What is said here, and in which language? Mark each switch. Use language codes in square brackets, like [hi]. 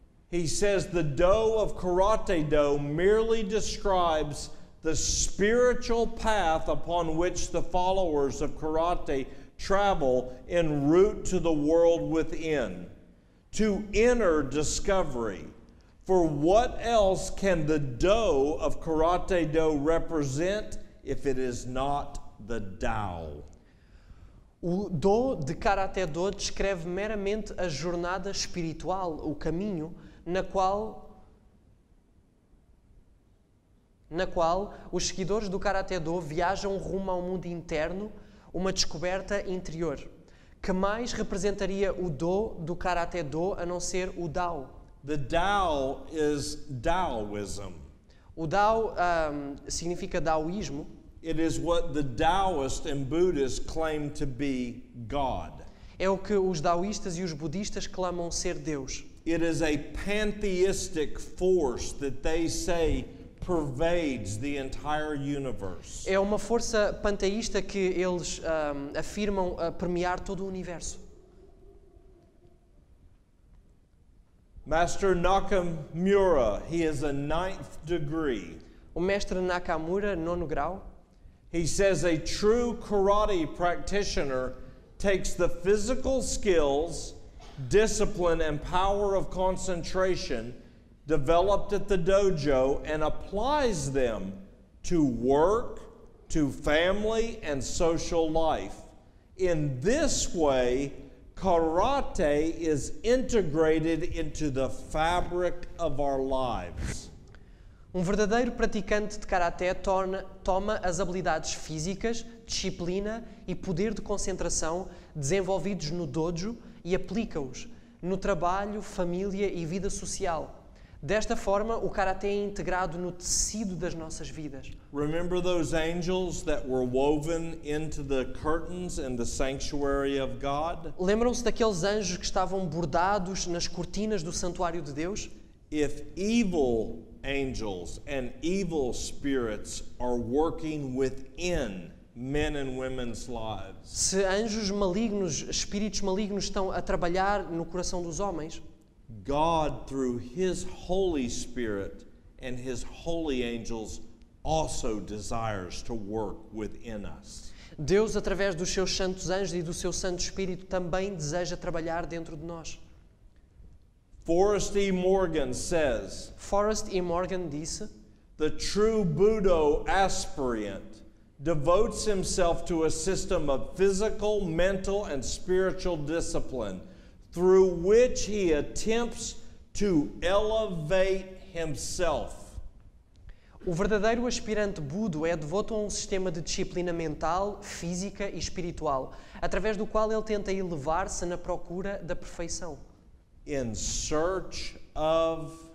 [en] He says the do of karate do merely describes the spiritual path upon which the followers of karate travel en route to the world within, to inner discovery. For what else can the do of karate do represent if it is not the Tao? [pt] O do de karate do descreve meramente a jornada espiritual, o caminho, na qual os seguidores do karate do viajam rumo ao mundo interno, uma descoberta interior. Que mais representaria o do karate do a não ser o Tao? [en] The Tao is Taoism. [pt] O Tao significa Taoísmo. [en] It is what the Taoists and Buddhists claim to be God. [pt] É o que os taoístas e os budistas clamam ser Deus. [en] It is a pantheistic force that they say pervades the entire universe. [pt] É uma força panteísta que eles afirmam a permear todo o universo. [en] Master Nakamura, he is a ninth degree. [pt] O mestre Nakamura, nono grau. [en] He says a true karate practitioner takes the physical skills, discipline and power of concentration developed at the dojo and applies them to work, to family and social life. In this way, karate is integrated into the fabric of our lives. [pt] Um verdadeiro praticante de karate toma as habilidades físicas, disciplina e poder de concentração desenvolvidos no dojo e aplica-os no trabalho, família e vida social. Desta forma, o karate é integrado no tecido das nossas vidas. [en] Remember those angels that were woven into the curtains in the sanctuary of God? [pt] Lembram-se daqueles anjos que estavam bordados nas cortinas do santuário de Deus? [en] If evil angels and evil spirits are working within men and women's lives. [pt] Se anjos malignos, espíritos malignos estão a trabalhar no coração dos homens, [en] God through his Holy Spirit and his holy angels also desires to work within us. [pt] Deus, através dos seus santos anjos e do seu Santo Espírito, também deseja trabalhar dentro de nós. [en] Forrest E. Morgan says, [pt] Forrest E. Morgan disse, [en] the true Budo aspirant devotes himself to a system of physical, mental, and spiritual discipline through which he attempts to elevate himself. [pt] O verdadeiro aspirante Budo é devoto a um sistema de disciplina mental, física e espiritual, através do qual ele tenta elevar-se na procura da perfeição. [en] In search of...